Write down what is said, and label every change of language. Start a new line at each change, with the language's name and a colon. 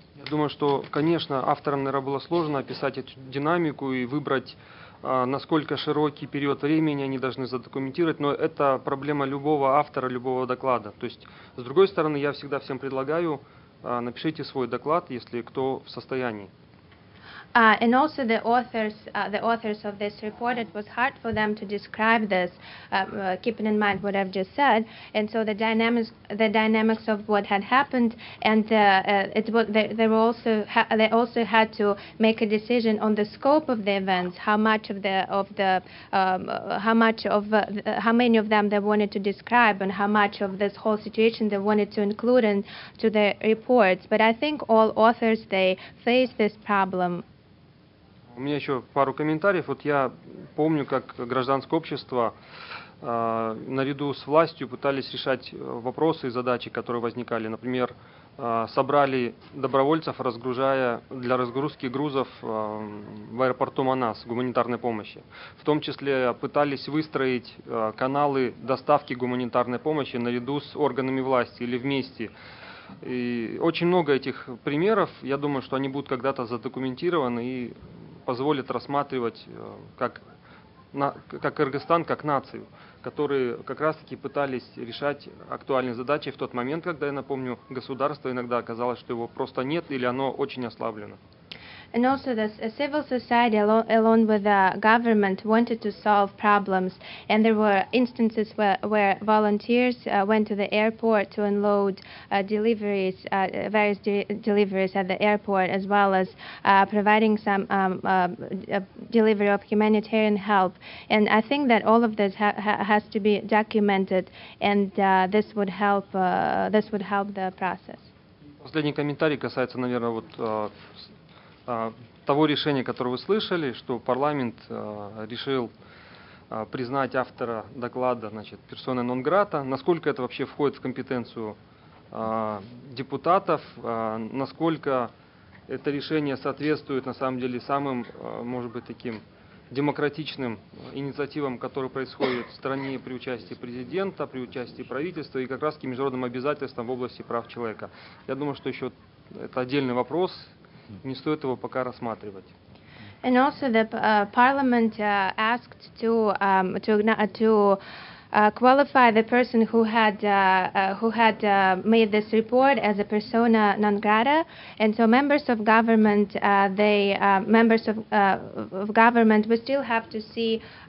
Russian: Я думаю, что, конечно, авторам, наверное, было сложно описать эту динамику и выбрать, насколько широкий период времени они должны задокументировать, но это проблема любого автора, любого доклада. То есть, с другой стороны, я всегда всем предлагаю, напишите свой доклад, если кто в состоянии.
English: And also the authors of this report, it was hard for them to describe this, keeping in mind what I've just said. And so the dynamics of what had happened, and they also had to make a decision on the scope of the events, how many of them they wanted to describe, and how much of this whole situation they wanted to include into their reports. But I think all authors, they face this problem.
Russian: У меня еще пару комментариев. Вот я помню, как гражданское общество наряду с властью пытались решать вопросы и задачи, которые возникали. Например, собрали добровольцев, разгружая для разгрузки грузов в аэропорту Манас гуманитарной помощи. В том числе пытались выстроить каналы доставки гуманитарной помощи наряду с органами власти или вместе. И очень много этих примеров, я думаю, что они будут когда-то задокументированы и позволят рассматривать как Кыргызстан, как нацию, которые как раз-таки пытались решать актуальные задачи в тот момент, когда, я напомню, государство иногда оказалось, что его просто нет или оно очень ослаблено.
English: And also the civil society along with the government wanted to solve problems, and there were instances where volunteers went to the airport to unload deliveries, various deliveries at the airport, as well as providing some delivery of humanitarian help. And I think that all of this has to be documented, and this would help the process.
Russian: Последний комментарий касается, наверное, вот того решения, которое вы слышали, что парламент решил признать автора доклада, значит, персона нон грата. Насколько это вообще входит в компетенцию депутатов, насколько это решение соответствует на самом деле самым, может быть, таким демократичным инициативам, которые происходят в стране при участии президента, при участии правительства и как раз к международным обязательствам в области прав человека. Я думаю, что еще это отдельный вопрос. Не стоит его пока рассматривать.
English: And also the parliament asked to qualify the person who had made this report as a persona non grata, and so members of government we still have to see